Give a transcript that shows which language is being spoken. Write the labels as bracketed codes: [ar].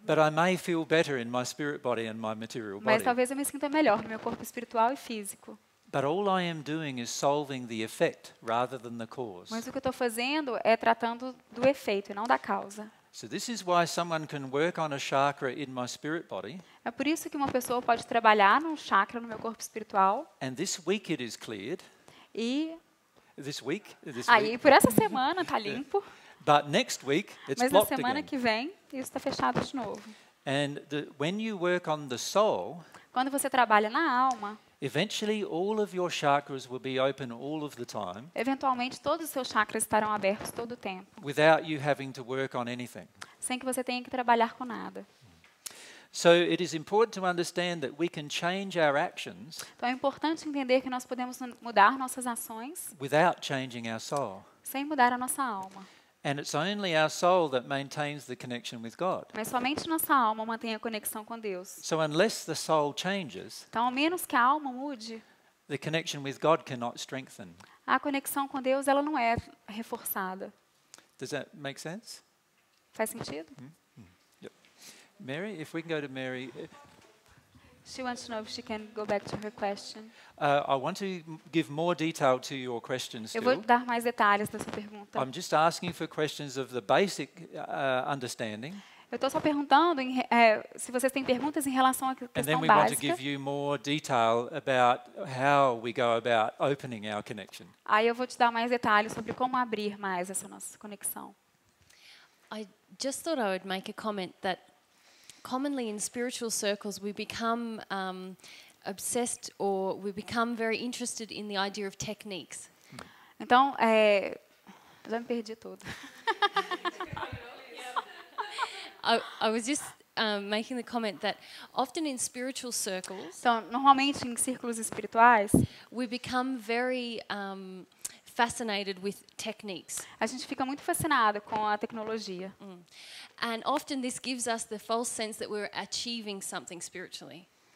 [en] But I may feel better in my spirit body and my material body. [pt] Mas talvez eu me sinta melhor no meu corpo espiritual e físico. [en] But all I am doing is solving the effect rather than the cause. [pt] Mas o que eu estou fazendo é tratando do efeito e não da causa. [en] So this is why someone can work on a chakra in my spirit body. [pt] É por isso que uma pessoa pode trabalhar num chakra no meu corpo espiritual. [en] And this week it is cleared. [pt] E [en] this week. [pt] E por essa semana está limpo. [en] But next week it's blocked again. [pt] Mas na semana que vem isso está fechado de novo. [en] And when you work on the soul, [pt] quando você trabalha na alma, [en] eventually all of your chakras will be open all of the time. [pt] Eventualmente todos os seus chakras estarão abertos todo o tempo. [en] Without you having to work on anything. [pt] Sem que você tenha que trabalhar com nada. [en] So it is important to understand that we can change our actions. [pt] Então é importante entender que nós podemos mudar nossas ações. [en] Without changing our soul. [pt] Sem mudar a nossa alma. [en] And it's only our soul that maintains the connection with God. [pt] Mas somente nossa alma mantém a conexão com Deus. [en] So unless the soul changes, [pt] então, ao menos que a alma mude, [en] the connection with God cannot strengthen. [pt] A conexão com Deus, ela não é reforçada. [en] Does that make sense? [pt] Faz sentido? [en] Yep. Mary, if we can go to Mary. She wants to know if she can go back to her question. I want to give more detail to your questions. [pt] Eu vou dar mais detalhes dessa pergunta. [en] I'm just asking for questions of the basic understanding. [pt] Eu estou só perguntando em, se vocês têm perguntas em relação à questão básica. [en] And then we want to give you more detail about how we go about opening our connection. [pt] Aí eu vou te dar mais detalhes sobre como abrir mais essa nossa conexão. [en] I just thought I would make a comment that commonly in spiritual circles we become obsessed or we become very interested in the idea of techniques. [pt] Então, já me perdi tudo. [en] I was just making the comment that often in spiritual circles, [pt] então, normalmente em círculos espirituais, [en] we become very fascinated with techniques. [pt] A gente fica muito fascinada com a tecnologia. [en] And often this gives us the false sense that we're achieving something spiritually.